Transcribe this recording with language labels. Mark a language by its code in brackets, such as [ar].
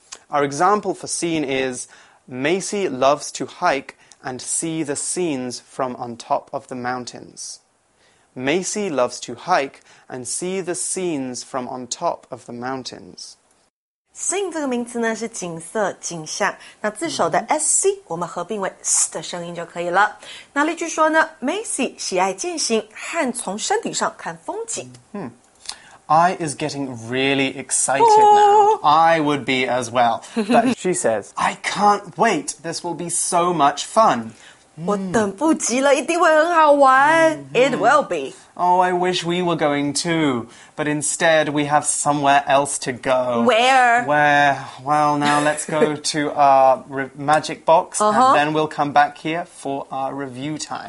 [en] Our example for scene is Macy loves to hike and see the scenes from on top of the mountains. Macy loves to hike and see the scenes from on top of the mountains. [zh] Scene 这个名词呢是景色、景象。那字首的 sc 我们合并为 s 的声音就可以了。那例句说呢 ，Macy 喜爱健行和从山顶上看风景。 [en] I is getting really excited now. I would be as well. But she says, I can't wait. This will be so much fun. [zh] 我等不及了，一定会很好玩。 [en] It will be. Oh, I wish we were going too. But instead, we have somewhere else to go. Where? Well, now let's go to our magic box. And then we'll come back here for our review time.